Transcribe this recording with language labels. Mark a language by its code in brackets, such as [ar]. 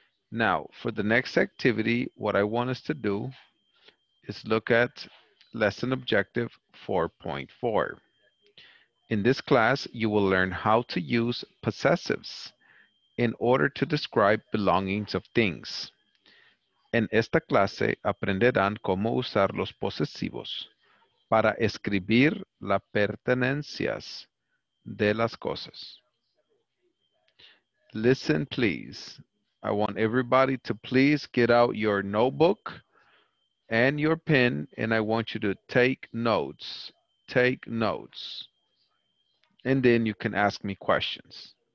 [en] Now, for the next activity, what I want us to do is look at lesson objective 4.4. In this class, you will learn how to use possessives in order to describe belongings of things. [es] En esta clase, aprenderán cómo usar los posesivos para escribir las pertenencias de las cosas. [en] Listen, please. I want everybody to please get out your notebook and your pen, and I want you to take notes. Take notes. And then you can ask me questions.